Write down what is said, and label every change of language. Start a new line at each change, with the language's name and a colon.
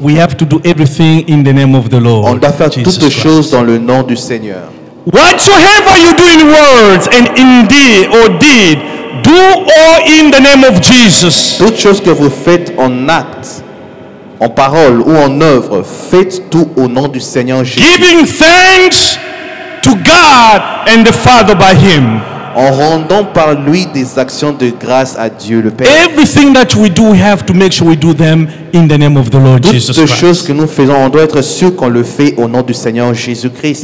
English: We have to do everything in the name of the Lord.
French: On doit faire Jesus toutes choses dans le nom du Seigneur.
English: Whatsoever you do in words and in deed or deed, do all in the name of Jesus.
French: Toutes choses que vous faites en acte. En parole ou en œuvre, faites tout au nom du Seigneur Jésus.
English: Giving thanks to God and the Father by Him.
French: en rendant par lui des actions de grâce à Dieu le Père.
English: Everything that we do, we have to make sure we do them in the name of the Lord Jesus Christ.
French: Toutes choses que nous faisons, on doit être sûr qu'on le fait au nom du Seigneur Jésus Christ.